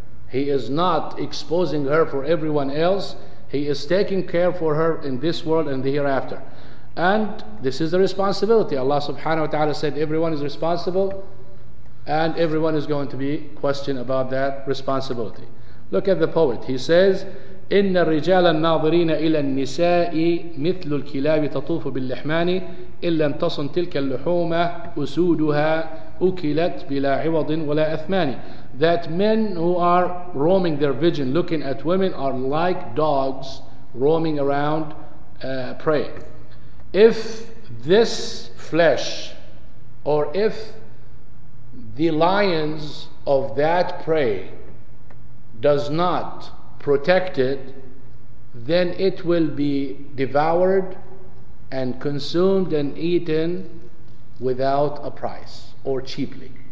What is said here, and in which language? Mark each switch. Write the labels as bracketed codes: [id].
[en] He is not exposing her for everyone else. He is taking care for her in this world and the hereafter. And this is the responsibility. Allah subhanahu wa ta'ala said everyone is responsible. And everyone is going to be questioned about that responsibility. Look at the poet. He says, [ar] إن الرجال الناظرين إلى النساء مثل الكلاب تطوف باللحمان إن لم تصن تلك اللحوم أسودها أكلت بلا عوض ولا أثمان. [en] That men who are roaming their vision, looking at women, are like dogs roaming around prey. If this flesh, or if the lions of that prey does not protect it, then it will be devoured and consumed and eaten without a price or cheaply.